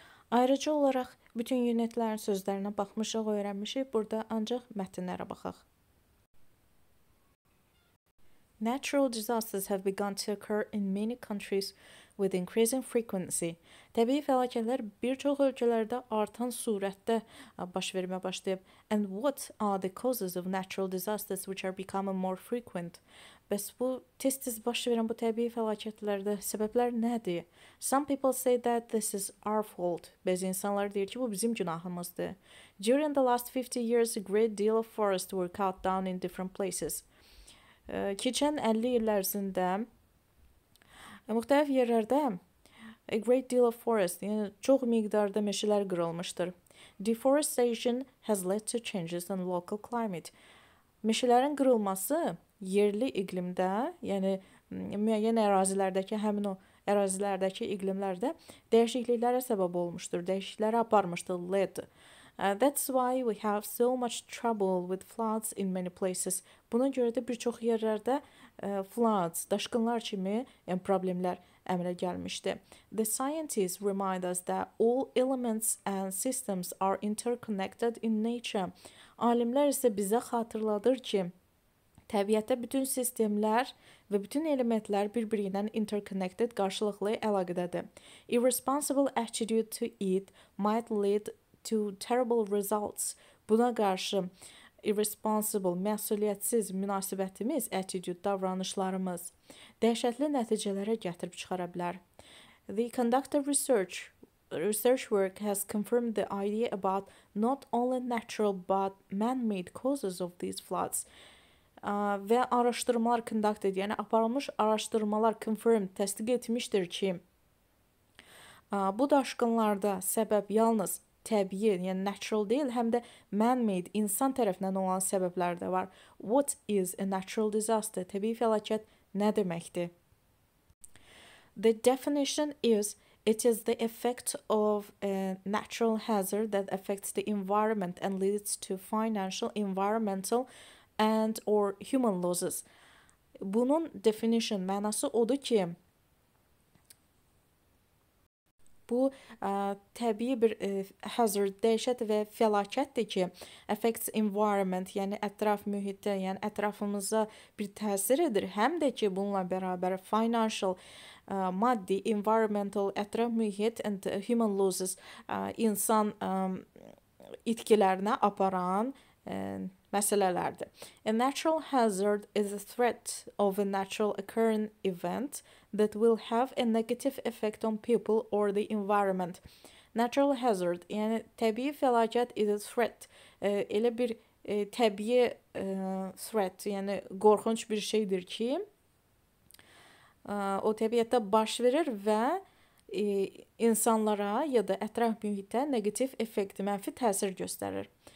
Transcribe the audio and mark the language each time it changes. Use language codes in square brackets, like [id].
[az] Ayrıca olaraq bütün ünitlərin sözlərinə baxmışıq, öyrənmişik. Burada ancaq mətnlərə baxaq. [en] Natural disasters have begun to occur in many countries with increasing frequency. [az] Təbii fəlakətlər bir çox ölkələrdə artan sürətdə baş vermə başlayıb. [en] And what are the causes of natural disasters which are becoming more frequent? [az] Bəs bu, tez-tez baş verən bu təbii fəlakətlərdə səbəblər nədir? [en] Some people say that this is our fault. [az] Bəzi insanlar deyir ki, bu bizim günahımızdır. [en] During the last 50 years, a great deal of forests were cut down in different places. [az] Keçən 50 il ərzində müxtəlif yerlərdə [en] a great deal of forest, [az] yəni çox miqdarda meşələr qırılmışdır. [en] Deforestation has led to changes in local climate. [az] Meşələrin qırılması yerli iqlimdə, yəni müəyyən ərazilərdəki həmin o ərazilərdəki iqlimlərdə dəyişikliklərə səbəb olmuşdur, dəyişikliklərə aparmışdır, led. [en] That's why we have so much trouble with floods in many places. [az] Buna görə də bir çox yerlərdə floods, daşqınlar kimi problemlər əmələ gəlmişdi. [en] The scientists remind us that all elements and systems are interconnected in nature. [az] Alimlər isə bizə xatırladır ki, təbiətdə bütün sistemlər və bütün elementlər bir-birindən interconnected, qarşılıqlı əlaqədədir. [en] Irresponsible attitude to it might lead to terrible results. [az] Buna qarşı irresponsible, məsuliyyətsiz münasibətimiz, attitude, davranışlarımız dəhşətli nəticələrə gətirib çıxara bilər. [en] The conductor research work has confirmed the idea about not only natural but man-made causes of these floods. [az] Və araşdırmalar conduct edir, yəni aparılmış araşdırmalar confirm, təsdiq etmişdir ki, bu daşqınlarda səbəb yalnız təbii, yəni natural deyil, həm də man-made, insan tərəfindən olan səbəblər də var. [en] What is a natural disaster? [az] Təbii fəlakət nə deməkdir? [en] The definition is, it is the effect of a natural hazard that affects the environment and leads to financial, environmental and or human losses. [az] Bunun definition, mənası odur ki, bu, təbii bir hazard, dəhşət və fəlakətdir ki, [en] affects environment, [az] yəni ətraf mühitdə, yəni ətrafımıza bir təsir edir. Həm də ki, bununla bərabər financial, maddi, environmental, ətraf mühit [en] and human losses [az] insan itkilərinə aparan məsələlərdir. [en] A natural hazard is a threat of a natural occurring event that will have a negative effect on people or the environment. [az] Natural hazard, yəni təbii fəlakət [en] is a threat, [az] elə bir təbii threat, yəni qorxunç bir şeydir ki, o təbiətdə baş verir və insanlara ya da ətraf mühitə negative effect, mənfi təsir göstərir.